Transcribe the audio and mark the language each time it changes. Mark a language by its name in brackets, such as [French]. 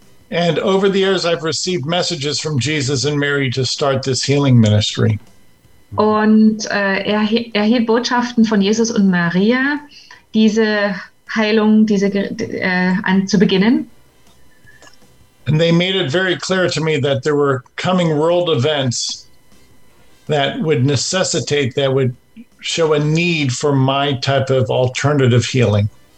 [English] And over the years, I've received messages from Jesus and Mary to start this healing ministry. [German] Und er erhielt Botschaften von Jesus und Maria, diese Heilung, zu beginnen. [English] And they made it very clear to me that there were coming world events that would necessitate, that would show a need for my type of alternative healing.